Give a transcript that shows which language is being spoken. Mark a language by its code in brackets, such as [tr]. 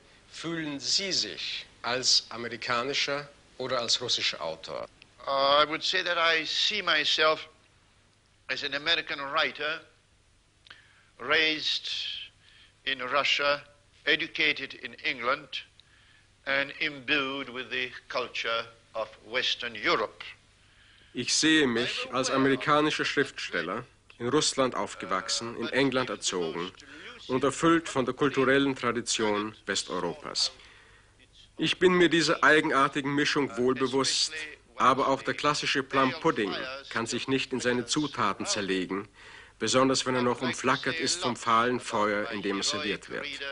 [de] Fühlen Sie sich als amerikanischer oder als russischer Autor? [en] I would say that I see myself as an American writer, raised in Russia, educated in England, and imbued with the culture of Western Europe. [de] Ich sehe mich als amerikanischer Schriftsteller, in Russland aufgewachsen, in England erzogen und erfüllt von der kulturellen Tradition Westeuropas. Ich bin mir dieser eigenartigen Mischung wohlbewusst, aber auch der klassische Plum Pudding kann sich nicht in seine Zutaten zerlegen, besonders wenn er noch umflackert ist vom fahlen Feuer, in dem er serviert wird.